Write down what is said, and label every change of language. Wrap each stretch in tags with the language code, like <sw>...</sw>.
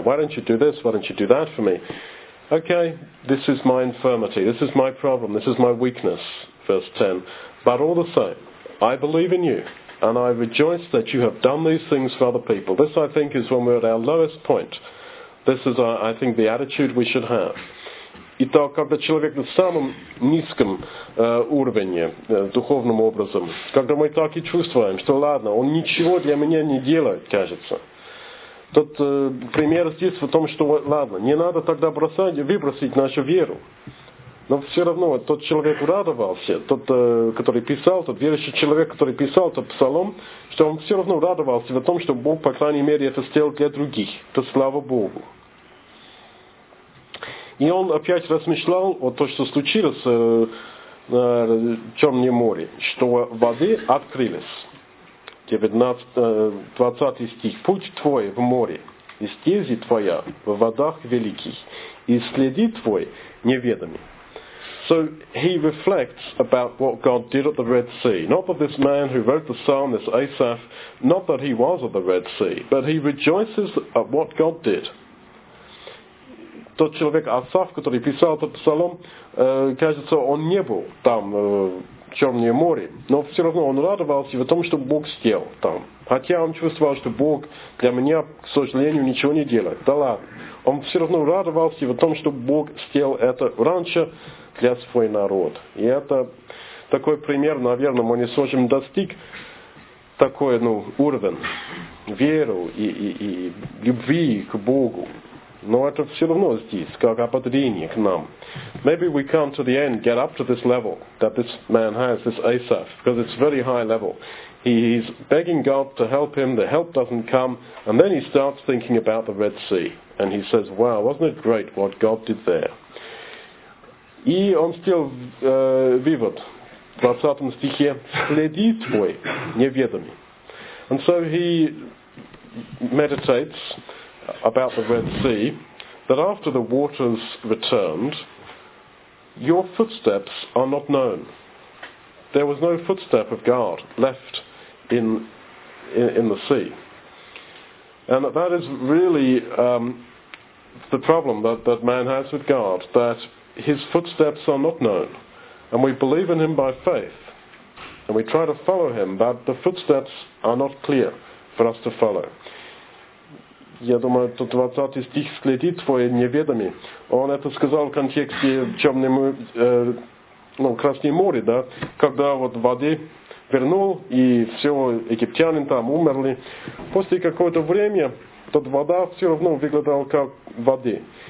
<en>Why don't you do this? Why don't you do that for me? Okay, this is my infirmity. This is my problem. This is my weakness, verse 10. But all the same, I believe in you, and I rejoice that you have done these things for other people. This, I think, is when we're at our lowest point. This is, I think, the attitude we should have.</en> <ru>И то, когда человек на самом низком уровне, духовным образом, когда мы так и чувствуем, что ладно, он ничего для меня не делает, кажется. Тот пример здесь в том, что ладно, не надо тогда бросать, выбросить нашу веру. Но все равно тот человек радовался, тот, который писал, тот верующий человек, который писал тот псалом, что он все равно радовался в том, что Бог, по крайней мере, это сделал для других. То слава Богу. И он опять размышлял о том, что случилось на Черном море, что воды открылись. 20 стих. Путь твой в море, и стези твоя в водах великих, и следи твой неведомый.</ru> <en>So he reflects about what God did at the Red Sea. Not that this man who wrote the psalm, this Asaph, not that he was at the Red Sea, but he rejoices at what God did.</en> <ru>Тот человек Асаф, который писал этот псалом, кажется, он не был там, в Черном море, но все равно он радовался в том, что Бог сделал там. Хотя он чувствовал, что Бог для меня, к сожалению, ничего не делает. Да ладно. Он все равно радовался в том, что Бог сделал это раньше для своего народа. И это такой пример, наверное, мы не сможем достиг такой, ну, уровень веры и любви к Богу. Но это все равно здесь, как ободрение к нам.</ru> <en>Maybe we can't to the end get up to this level that this man has, this Asaph, because it's very high level. He's begging God to help him, the help doesn't come, and then he starts thinking about the Red Sea. And he says, wow, wasn't it great what God did there?</en> <ru>И он still вывод в 20 стихе, следи твой неведомый.</ru> <en>And so he meditates about the Red Sea, that after the waters returned, your footsteps are not known. There was no footstep of God left in the sea. And that is really the problem that man has with God, that his footsteps are not known. And we believe in him by faith, and we try to follow him, but the footsteps are not clear for us to follow.</en> <ru>Я думаю, тот 20 стих следит твой неведомый. Он это сказал в контексте Красное море, да, когда вот воды вернул, и все, египтяне там умерли. После какого-то времени тот вода все равно выглядела как воды.</ru>